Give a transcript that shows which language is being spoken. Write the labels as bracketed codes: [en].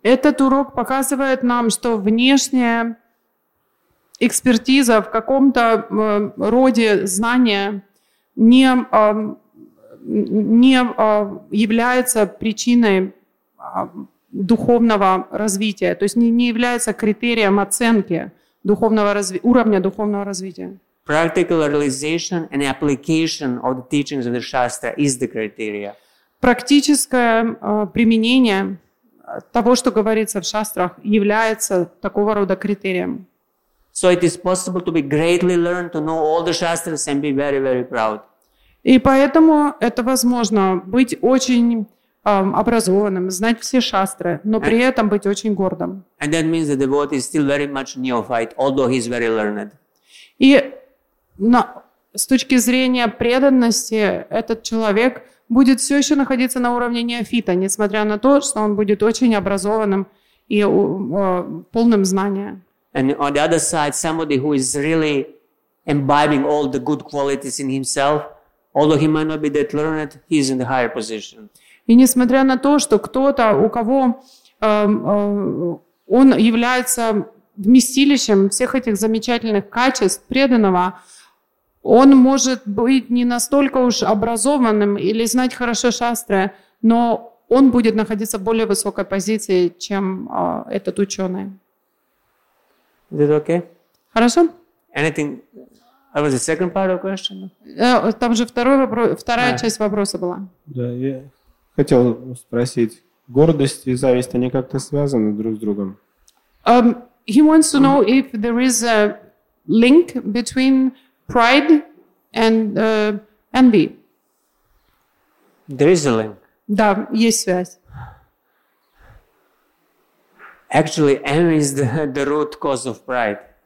[ru] Этот урок показывает нам, что внешняя экспертиза в каком-то роде знания не является причиной духовного развития, то есть не является критерием оценки уровня духовного развития. [en] Practical realization and application of the teachings of the Shastra is the criteria. [ru] Практическое применение того, что говорится в шастрах, является такого рода критерием. [en] So it is possible to be greatly learned, to know all the Shastras and be very, very proud. [ru] И поэтому это возможно быть очень образованным, знать все шастры, но при этом быть очень гордым. [en] And that means that the devotee is still very much neophyte, although he's very learned. [ru] И с точки зрения преданности этот человек будет все еще находиться на уровне неофита, несмотря на то, что он будет очень образованным и полным знания. [en] And on the other side, somebody who is really imbibing all the good qualities in himself, although he might not be that learned, he is in the higher position. [ru] И несмотря на то, что кто-то, у кого он является вместилищем всех этих замечательных качеств преданного, он может быть не настолько уж образованным или знать хорошо шастры, но он будет находиться в более высокой позиции, чем этот ученый. [en] Is it okay? [ru] Хорошо? [en] Anything? That was the second part of the question? [ru] Там же вторая часть вопроса была. Да, [en] yeah. [ru] Хотел спросить, гордость и зависть, они как-то связаны друг с другом? [en] He wants to know if there is a link between pride and envy. There is a link. [ru] Да, есть связь. [en] Actually, envy is the root cause of pride.